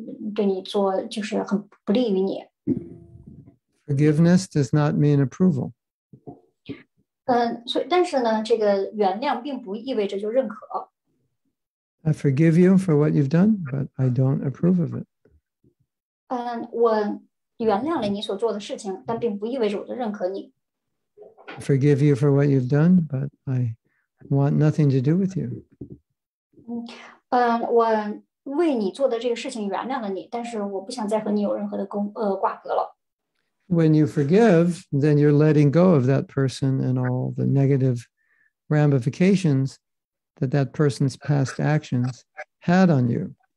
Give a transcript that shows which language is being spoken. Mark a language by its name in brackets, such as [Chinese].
[Chinese] 而且呢，会对你做就是很不利于你。 [English] Forgiveness does not mean approval. [Chinese] 所以但是呢，这个原谅并不意味着就认可。 [English] I forgive you for what you've done, but I don't approve of it. [Chinese] 我原谅了你所做的事情，但并不意味着我认可你。 [English] I forgive you for what you've done, but I want nothing to do with you. [Chinese] 我为你做的这个事情原谅了你，但是我不想再和你有任何的挂钩了。 [English] When you forgive, then you're letting go of that person and all the negative ramifications that that person's past actions had on you.